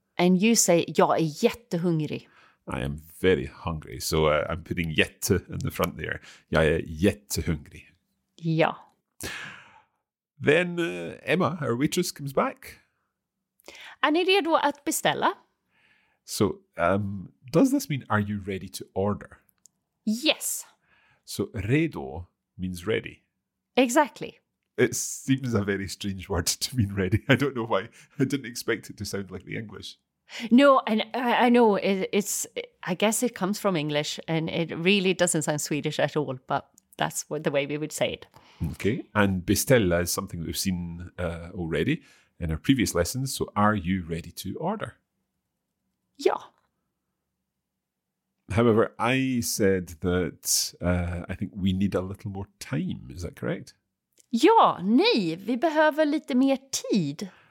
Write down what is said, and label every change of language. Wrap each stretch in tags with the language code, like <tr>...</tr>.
<en>And you say,</en> <sv>jag är jättehungrig.</sv> <en>I am very hungry. So I'm putting jätte in the front there.</en> <sv>Jag är jättehungrig. Ja.</sv> <en>Then Emma, our waitress, comes back.</en> <sv>Är ni redo att beställa?</sv> <en>So does this mean, are you ready to order? Yes. So redo means ready. Exactly. It seems a very strange word to mean ready. I don't know why. I didn't expect it to sound like the English. No, and I know it's. I guess it comes from English, and it really doesn't sound Swedish at all. But that's what the way we would say it. Okay, and beställa is something we've seen already in our previous lessons. So, are you ready to order? Yeah. However, I said that I think we need a little more time. Is that correct?</en> <sv>Ja, nej, vi behöver lite mer tid.</sv>